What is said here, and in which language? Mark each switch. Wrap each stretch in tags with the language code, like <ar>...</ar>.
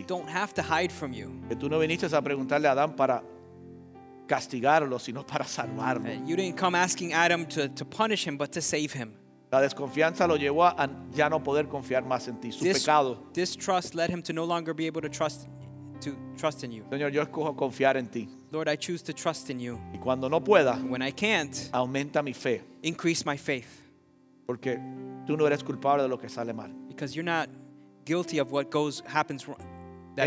<en>I don't have to hide from you.</en> <es>Que tú no viniste a preguntarle a Adán para castigarlo, sino para salvarlo.</es> <en>You didn't come asking Adam to punish him, but to save him.</en> <es>La desconfianza lo llevó a ya no poder confiar más en ti. Su pecado.</es> <en>Distrust led him to no longer be able to trust to trust in you.</en> <es>Señor, yo escojo confiar en ti.</es> <en>Lord, I choose to trust in you.</en> <es>Y cuando no pueda,</es> <en>when I can't,</en> <es>aumenta mi fe.</es> <en>Increase my faith.</en> <es>Porque tú no eres culpable de lo que sale mal.</es> <en>Because you're not guilty of what goes happens wrong, that</en>